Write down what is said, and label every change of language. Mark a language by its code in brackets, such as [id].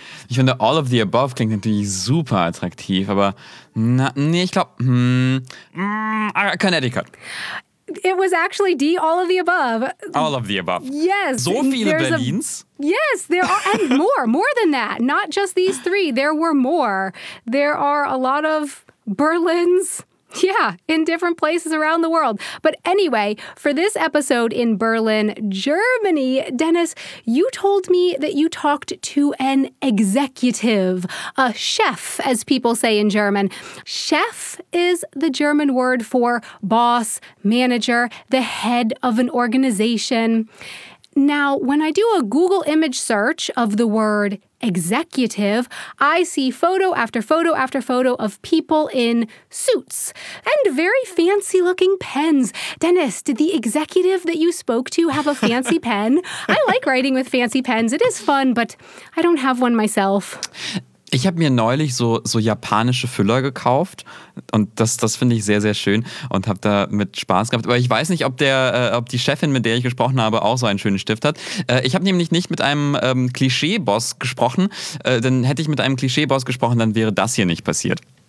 [de] Ich finde, [en] all of the above [de] klingt natürlich super attraktiv, aber Connecticut. [en] It was actually D, all of the above. All of the above. Yes. [de] So viele Berlins? [en] Yes, there are, and more than that. Not just these three, there were more. There are a lot of Berlins. Yeah, in different places around the world. But anyway, for this episode in Berlin, Germany, Dennis, you told me that you talked to an executive, a chef, as people say in German. Chef is the German word for boss, manager, the head of an organization. Now, when I do a Google image search of the word executive, I see photo after photo after photo of people in suits and very fancy looking pens. Dennis, did the executive that you spoke to have a fancy pen? I like writing with fancy pens. It is fun, but I don't have one myself. [de] Ich habe mir neulich so japanische Füller gekauft und das finde ich sehr, sehr schön und habe da mit Spaß gehabt. Aber ich weiß nicht, ob die Chefin, mit der ich gesprochen habe, auch so einen schönen Stift hat. Ich habe nämlich nicht mit einem Klischee-Boss gesprochen, denn hätte ich mit einem Klischee-Boss gesprochen, dann wäre das hier nicht passiert.